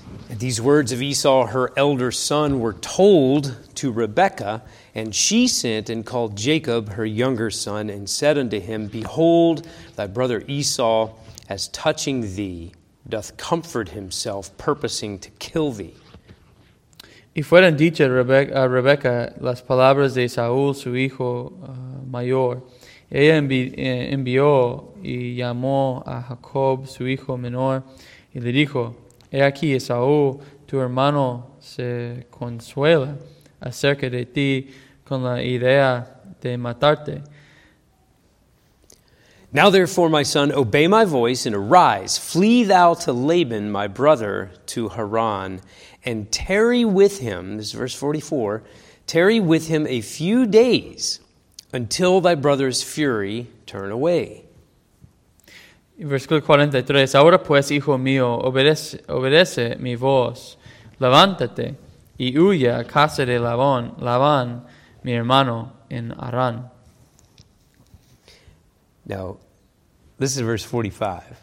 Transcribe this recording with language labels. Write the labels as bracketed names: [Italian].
[English] At these words of Esau, her elder son, were told to Rebekah, and she sent and called Jacob, her younger son, and said unto him, behold, thy brother Esau, as touching thee, doth comfort himself, purposing to kill thee. [Spanish] Y fueron dichas a Rebeca las palabras de Saúl, su hijo mayor. Ella envió y llamó a Jacob, su hijo menor, y le dijo, he aquí, Esaú, tu hermano se consuela acerca de ti con la idea de matarte. [English] Now therefore, my son, obey my voice and arise. Flee thou to Laban, my brother, to Haran, and tarry with him, this is verse 44, tarry with him a few days until thy brother's fury turn away. [Spanish] Versículo 43, ahora pues, hijo mío, obedece mi voz, levántate y huye a casa de Labán, mi hermano, en Harán. [English] Now, this is verse 45.